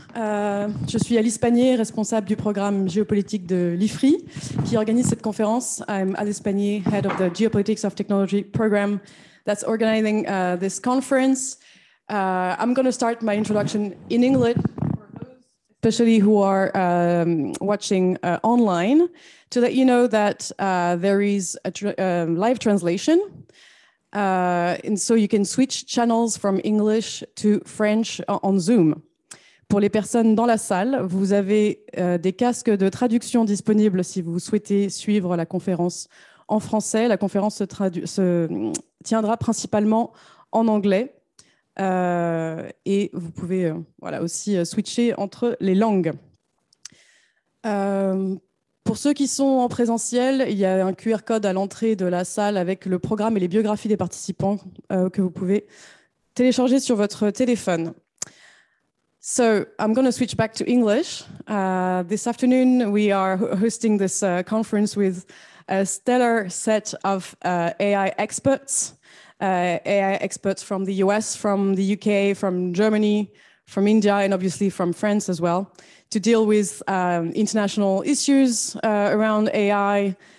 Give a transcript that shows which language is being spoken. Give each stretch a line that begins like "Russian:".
French: Je suis Alice Panier, responsable du programme géopolitique de l'Ifri, qui organise cette conférence.
English: I'm Alice Panier, head of the Geopolitics of Technology program that's organizing this conference. I'm going to start my introduction in English, especially who are watching online, to let you know that there is a live translation. And so you can switch channels from English to French on Zoom.
French: Pour les personnes dans la salle, vous avez des casques de traduction disponibles si vous souhaitez suivre la conférence en français. La conférence se tiendra principalement en anglais. Et vous pouvez voilà, aussi switcher entre les langues. Pour ceux qui sont en présentiel, il y a un QR code à l'entrée de la salle avec le programme et les biographies des participants que vous pouvez télécharger sur votre téléphone.
English: So, I'm going to switch back to English. This afternoon, we are hosting this conference with a stellar set of AI experts. AI experts from the US, from the UK, from Germany, from India, and obviously from France as well, to deal with international issues around AI.